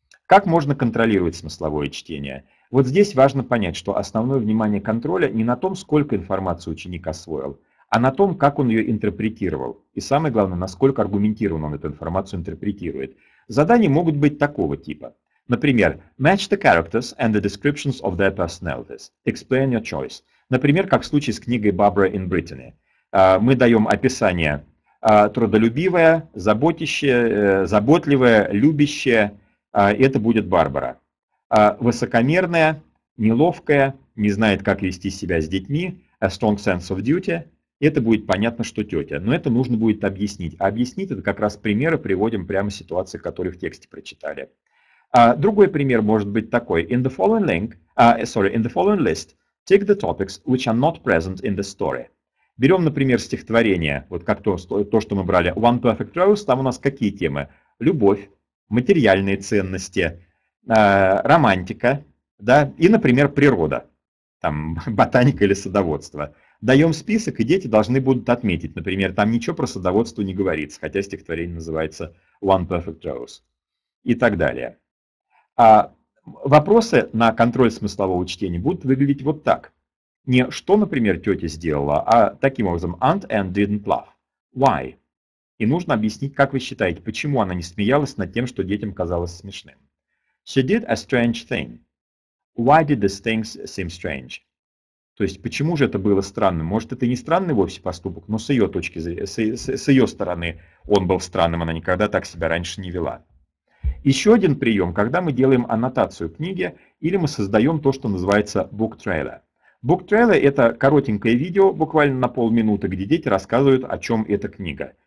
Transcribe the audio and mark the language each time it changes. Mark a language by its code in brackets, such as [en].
[ru] Как можно контролировать смысловое чтение? Вот здесь важно понять, что основное внимание контроля не на том, сколько информации ученик освоил, а на том, как он ее интерпретировал. И самое главное, насколько аргументированно он эту информацию интерпретирует. Задания могут быть такого типа. Например, [en] match the characters and the descriptions of their personalities. Explain your choice. [ru] Например, как в случае с книгой Barbara in Brittany. Мы даем описание трудолюбивое, заботливое, любящее. Это будет Барбара. Высокомерная, неловкая, не знает, как вести себя с детьми, [en] a strong sense of duty. [ru] Это будет понятно, что тетя. Но это нужно будет объяснить. А объяснить это как раз примеры приводим прямо ситуации, которые в тексте прочитали. Другой пример может быть такой. [en] In the following list, take the topics, which are not present in the story. [ru] Берем, например, стихотворение, вот как то, что мы брали, One Perfect Rose, там у нас какие темы? Любовь, материальные ценности, романтика, да, и, например, природа, там, ботаника или садоводство. Даем список, и дети должны будут отметить, например, там ничего про садоводство не говорится, хотя стихотворение называется One Perfect Rose и так далее. Вопросы на контроль смыслового чтения будут выглядеть вот так. Не что, например, тетя сделала, а таким образом, [en] Aunt Anne didn't laugh. Why? [ru] И нужно объяснить, как вы считаете, почему она не смеялась над тем, что детям казалось смешным. [en] She did a strange thing. Why did this thing seem strange? [ru] То есть, почему же это было странным? Может, это не странный вовсе поступок, но с ее стороны он был странным, она никогда так себя раньше не вела. Еще один прием, когда мы делаем аннотацию книги или мы создаем то, что называется book trailer. Book trailer – это коротенькое видео, буквально на полминуты, где дети рассказывают, о чем эта книга.